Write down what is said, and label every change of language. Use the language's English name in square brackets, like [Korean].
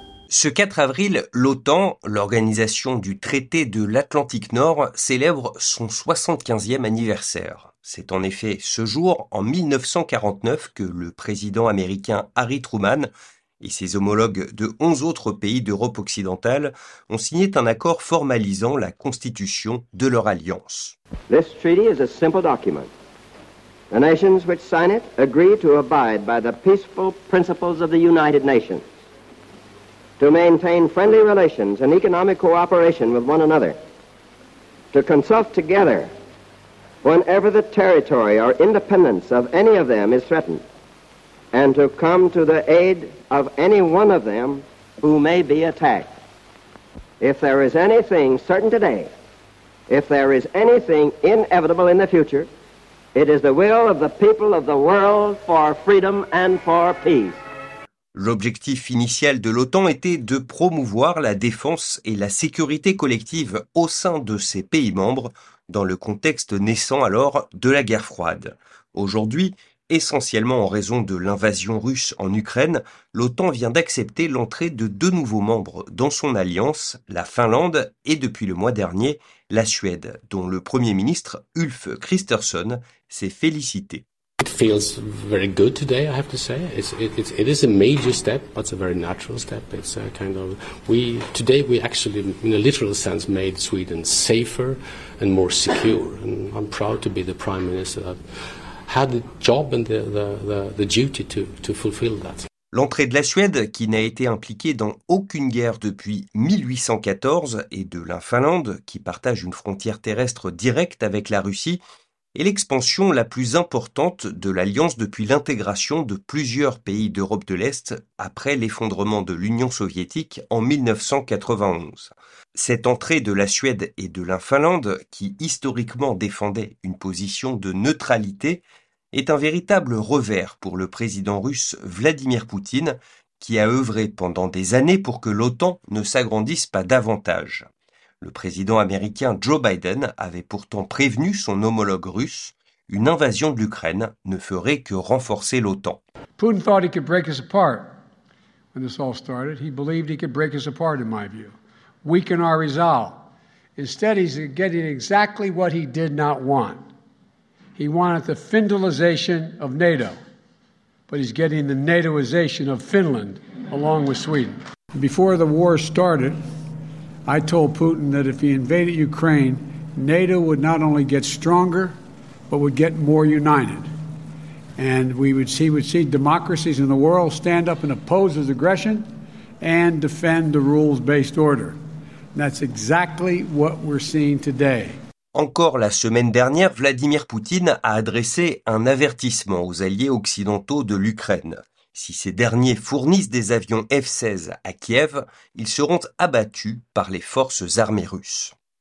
[French] Ce 4 avril, l'OTAN, l'organisation du traité de l'Atlantique Nord, célèbre son 75e anniversaire. C'est en effet ce jour, en 1949, que le président américain Harry Truman et ses homologues de 11 autres pays d'Europe occidentale ont signé un accord formalisant la constitution de leur alliance. [English] This treaty is a simple document. The nations which sign it agree to abide by the peaceful principles of the United Nations. To maintain friendly relations and economic cooperation with one another. To consult together whenever the territory or independence of any of them is threatened. And to come to the aid of any one of them who may be attacked. If there is anything certain today, if there is anything inevitable in the future, it is the will of the people of the world for freedom and for peace. [French] L'objectif initial de l'OTAN était de promouvoir la défense et la sécurité collective au sein de ses pays membres, dans le contexte naissant alors de la guerre froide. Aujourd'hui, essentiellement en raison de l'invasion russe en Ukraine, l'OTAN vient d'accepter l'entrée de deux nouveaux membres dans son alliance, la Finlande et depuis le mois dernier, la Suède, dont le Premier ministre Ulf Kristersson s'est félicité. [English] It feels very good today, I have to say. It is a major step, but it's a very natural step. It's a kind of, today we actually, in a literal sense, made Sweden safer and more secure. And I'm proud to be the Prime Minister that had the job and the duty to fulfill that. [French] L'entrée de la Suède, qui n'a été impliquée dans aucune guerre depuis 1814, et de la Finlande, qui partage une frontière terrestre directe avec la Russie, et l'expansion la plus importante de l'Alliance depuis l'intégration de plusieurs pays d'Europe de l'Est après l'effondrement de l'Union soviétique en 1991. Cette entrée de la Suède et de la Finlande, qui historiquement défendaient une position de neutralité, est un véritable revers pour le président russe Vladimir Poutine, qui a œuvré pendant des années pour que l'OTAN ne s'agrandisse pas davantage. Le président américain Joe Biden avait pourtant prévenu son homologue russe, une invasion de l'Ukraine ne ferait que renforcer l'OTAN. [English] Putin thought he could break us apart when this all started. He believed he could break us apart, in my view. Weaken our resolve. Instead, he's getting exactly what he did not want. He wanted the Finlandization of NATO. but he's getting the NATOization of Finland along with Sweden. Before the war started, I told Putin that if he invaded Ukraine, NATO would not only get stronger, but would get more united. And we would see democracies in the world stand up and oppose his aggression and defend the rules-based order. And that's exactly what we're seeing today. [French] Encore la semaine dernière, Vladimir Poutine a adressé un avertissement aux alliés occidentaux de l'Ukraine. Si ces derniers fournissent des avions F-16 à Kiev, ils seront abattus par les forces armées russes.